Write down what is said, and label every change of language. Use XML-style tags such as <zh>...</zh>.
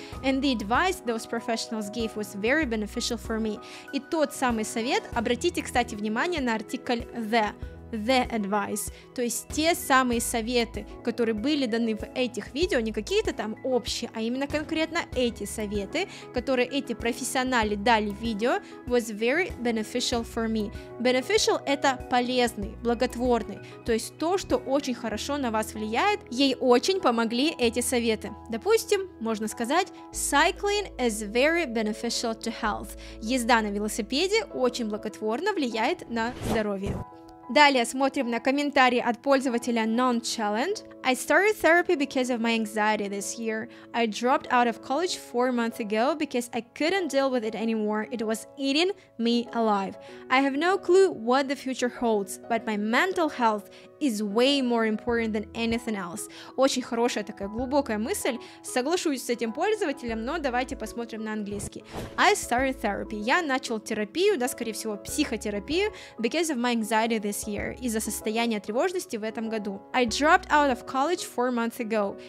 <en>And the advice those professionals gave was very beneficial for me.</en> <ru>И тот самый совет, обратите, кстати, внимание на артикль</ru> <en>the advice,</en> <ru>то есть те самые советы, которые были даны в этих видео, не какие-то там общие, а именно конкретно эти советы, которые эти профессионалы дали в видео,</ru> <en>was very beneficial for me.</en> <ru>Beneficial — это полезный, благотворный, то есть то, что очень хорошо на вас влияет, ей очень помогли эти советы. Допустим, можно сказать,</ru> <en>cycling is very beneficial to health.</en> <ru>Езда на велосипеде очень благотворно влияет на здоровье. Далее смотрим на комментарии от пользователя non-challenge.</ru> <en>I started therapy because of my anxiety this year. I dropped out of college 4 months ago because I couldn't deal with it anymore. It was eating me alive. I have no clue what the future holds, but my mental health is way more important than anything else.</en> <ru>Очень хорошая такая глубокая мысль. Соглашусь с этим пользователем, но давайте посмотрим на английский.</ru> <en>I started therapy.</en> <ru>Я начал терапию, да, скорее всего, психотерапию,</ru> <en>because of my anxiety this year.</en> <ru>Из-за состояния тревожности в этом году.</ru> <en>I dropped out of college 4 months ago.</en>